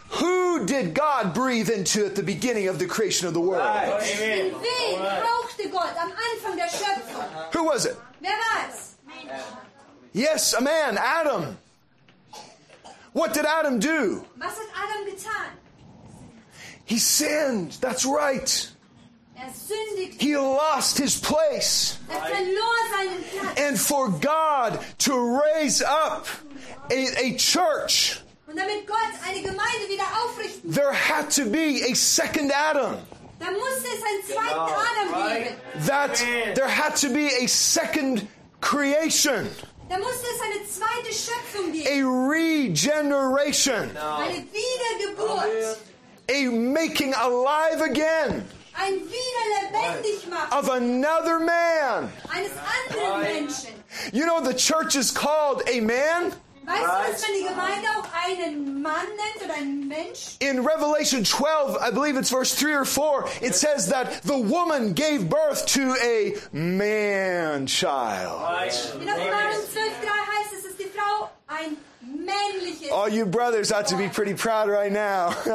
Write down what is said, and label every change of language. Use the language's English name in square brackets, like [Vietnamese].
[English] Who did God breathe into at the beginning of the creation of the world? Right. [German] In wen hauchte Gott am Anfang der Schöpfung? [English] Who was it? [German] Wer war's? [English] Yes, a man, Adam. What did Adam do? [German] Was hat Adam getan? [English] He sinned, that's right. [German] Er sündigte. [English] He lost his place. [German] Er verlor seinen Platz. [English] And for God to raise up a church, [German] und damit Gott eine Gemeinde wieder aufrichten, [English] there had to be a second Adam. [German] Da musste es einen zweiten Adam geben. [English] Right. That there had to be a second creation. [German] Da musste es eine zweite Schöpfung geben. [English] A regeneration. No. [German] Eine Wiedergeburt. Oh, [English] a making alive again. [German] Ein wieder lebendig machen. [English] Of another man. [German] Eines anderen Menschen. [English] You know, the church is called a man. [German] Weißt du, dass man die Gemeinde auch einen Mann nennt oder einen Mensch? [English] In Revelation 12, I believe it's verse 3 or 4, it says that the woman gave birth to a man-child. [German] In Offenbarung 12:3 heißt es, dass die Frau ein männliches. [English] All you brothers ought to be pretty proud right now.